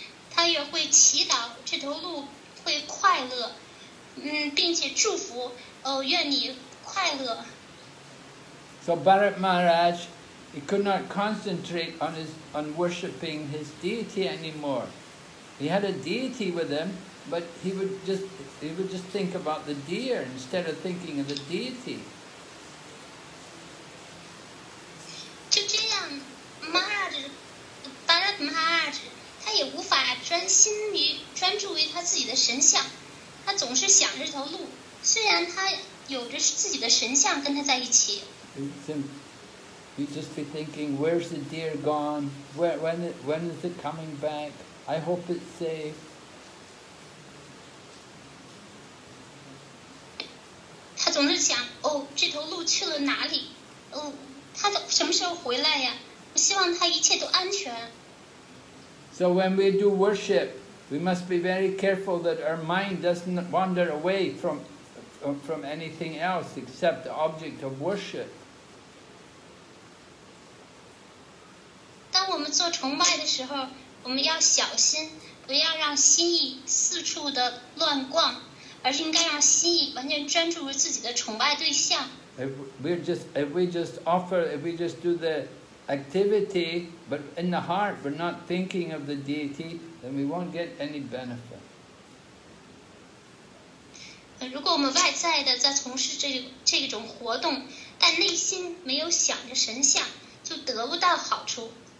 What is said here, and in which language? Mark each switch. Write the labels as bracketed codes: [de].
[zh] 他也会祈祷这头鹿会快乐，并且祝福，愿你快乐。 [en] So Bharat Maharaj, he could not concentrate on worshipping his deity anymore. He had a deity with him. But he would just think about the deer instead of thinking of the deity. [zh] 就这样 ，Maharaj Bharat Maharaj 他也无法专注于他自己的神像，他总是想着这头鹿。虽然他有着自己的神像跟他在一起 [en] ，He'd just be thinking, "Where's the deer gone? When is it coming back? I hope it's safe." [zh] 总是想，哦，这头鹿去了哪里？哦，它什么时候回来呀？我希望它一切都安全。 [en] So when we do worship, we must be very careful that our mind doesn't wander away from anything else except the object of worship. [zh] 当我们做崇拜的时候，我们要小心，不要让心意四处的乱逛，而是应该让心意完全专注于自己的崇拜对象。 [en] If we just do the activity, but in the heart we're not thinking of the deity, then we won't get any benefit. [zh] 如果我们外在的在从事这种活动，但内心没有想着神像，就得不到好处。